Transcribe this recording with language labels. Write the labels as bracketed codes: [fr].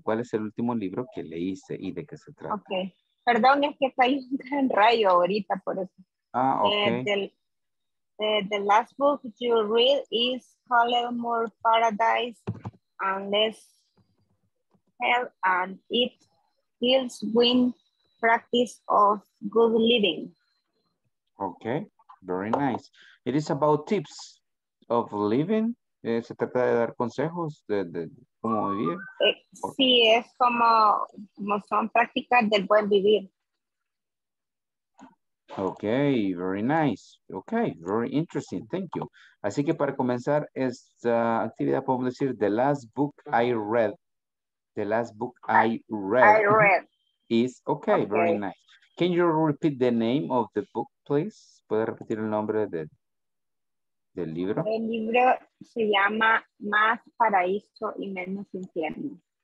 [es] ¿Cuál es el último libro que leíste y de qué se trata? [en] Okay. [es] Perdón, es que está en un rayo ahorita por eso. [en] Ah, okay. The last book you read is Color More Paradise and Less Hell, and it deals with practice of good living. Okay, very nice. It is about tips of living. [es] ¿Se trata de dar consejos de cómo vivir? Sí, es como son prácticas del buen vivir. [en] Okay, very nice. Okay, very interesting. Thank you. [es] Así que para comenzar esta actividad, podemos decir, [en] the last book I read. The last book I read. Is, okay, very nice. Can you repeat the name of the book, please? [es] ¿Puede repetir el nombre del libro? El libro se llama Más Paraíso y Menos Infierno.